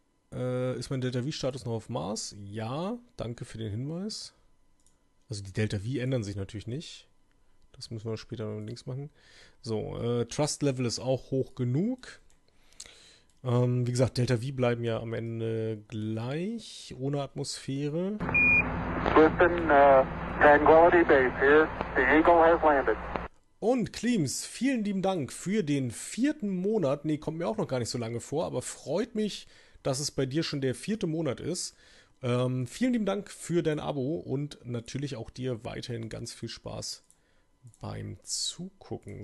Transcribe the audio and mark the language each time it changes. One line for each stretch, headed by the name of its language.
German: Ist mein Delta-V-Status noch auf Mars? Ja, danke für den Hinweis. Also die Delta-V ändern sich natürlich nicht. Das müssen wir später noch links machen. So, Trust-Level ist auch hoch genug. Wie gesagt, Delta-V bleiben ja am Ende gleich, ohne Atmosphäre.
English: Houston, Tranquility Base here. The Eagle has landed.
German: Und Cleems, vielen lieben Dank für den vierten Monat. Nee, kommt mir auch noch gar nicht so lange vor, aber freut mich, dass es bei dir schon der vierte Monat ist. Vielen lieben Dank für dein Abo und natürlich auch dir weiterhin ganz viel Spaß beim Zugucken.